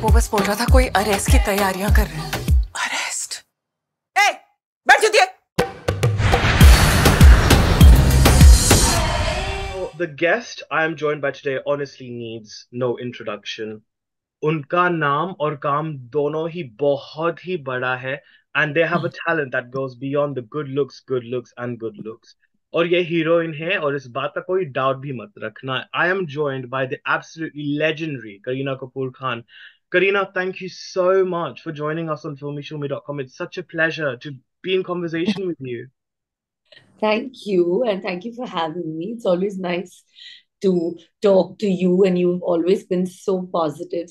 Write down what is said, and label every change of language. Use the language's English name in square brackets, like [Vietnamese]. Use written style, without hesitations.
[Hindi] बोल रहा था कोई अरेस्ट की तैयारियां कर रहे हैं। अरेस्ट? ए, बैठ जाती है। [English] The guest I am joined by today honestly needs no introduction. [Hindi] उनका नाम और काम दोनों ही बहुत ही बड़ा है, [English] and they have a talent that goes beyond the good looks. [Hindi] और ये हीरोइन है, और इस बात का कोई doubt भी मत रखना। [English] I am joined by the absolutely legendary Kareena Kapoor Khan. Kareena, thank you so much for joining us on FilmeShilmy.com. It's such a pleasure to be in conversation with you. Thank you, and thank you for having me. It's always nice to talk to you, and you've always been so positive.